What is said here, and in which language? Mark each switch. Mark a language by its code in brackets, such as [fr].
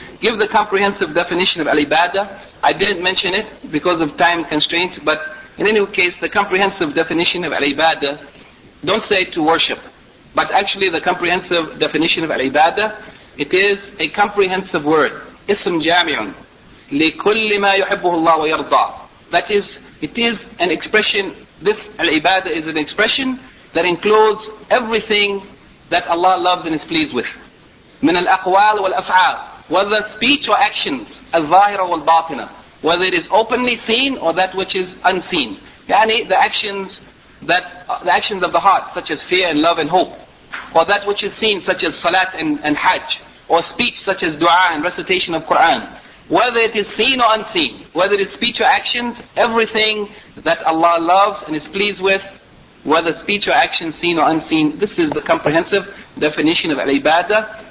[en] Give the comprehensive definition of al-ibadah. I didn't mention it because of time constraints, but in any case, the comprehensive definition of al-ibadah, don't say to worship, but actually the comprehensive definition of al-ibadah, it is a comprehensive word, [ar] ism jami'un, لِكُلِّ مَا يُحِبُّهُ اللَّهُ وَيَرْضَى. [en] That is, it is an expression, this al-ibadah is an expression that includes everything that Allah loves and is pleased with. [ar] مِنَ الْأَقْوَالِ وَالْأَفْعَالِ, [en] whether speech or actions, [ar] الظَّاهِرَ وَالْبَاطِنَةِ, [en] whether it is openly seen or that which is unseen. Yani the actions of the heart, such as fear and love and hope, or that which is seen, such as salat and hajj, or speech such as dua and recitation of Quran. Whether it is seen or unseen, whether it is speech or actions, everything that Allah loves and is pleased with, whether speech or action, seen or unseen, this is the comprehensive definition of al-ibadah.